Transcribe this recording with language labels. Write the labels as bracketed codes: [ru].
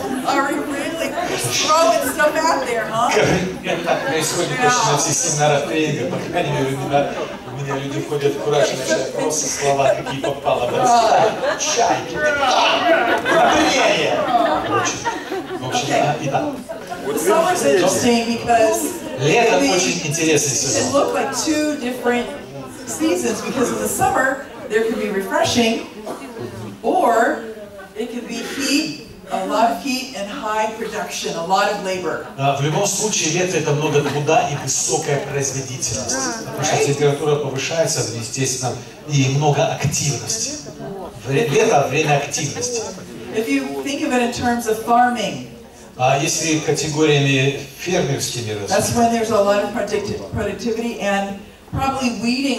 [en] Are we really throwing stuff out there, huh? [ru] Как это происходит почти на всех семинарах тренинга? По крайней мере, у меня люди входят в кураж и начинают просто слова, какие попало. Чайки. Удобрение. В общем, и так. [en] Summer's interesting because [ru] лето очень интересный сезон. [en] It can look like two different seasons because in the summer there can be refreshing or it can be heat. A lot of heat and high production, a lot of labor. [ru] В любом случае, лето – это много труда и высокая производительность. Yeah, потому что температура повышается, естественно, и много активности. Лето – время активности. [en] If you think of it in terms of farming, [ru] если категориями фермерскими разумеется. [en] That's when there's a lot of productivity and probably weeding.